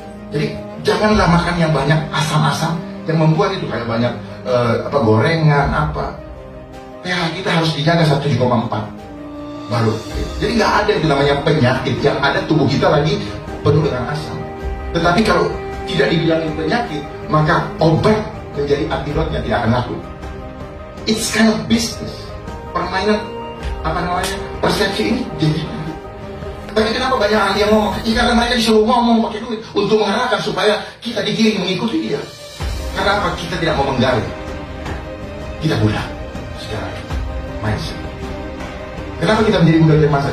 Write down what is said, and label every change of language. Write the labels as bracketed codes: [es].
[id] Jadi janganlah makan yang banyak asam-asam yang membuat itu kayak banyak gorengan apa. Ya kita harus dijaga 1,4 baru. Jadi nggak ada itu namanya penyakit, yang ada tubuh kita lagi penuh dengan asam. Tetapi kalau tidak dibilangin penyakit, maka obat menjadi antidotnya tidak akan laku. [en] It's kind of business, [id] permainan. Apa namanya, persepsi ini jadi. Tapi kenapa banyak ahli yang ngomong? Ya karena mereka disuruh ngomong pakai duit untuk mengarahkan supaya kita digiring mengikuti dia. Karena apa? Kita tidak mau menggali. Kita budak sekarang, mindset. Kenapa kita menjadi budak dari masa?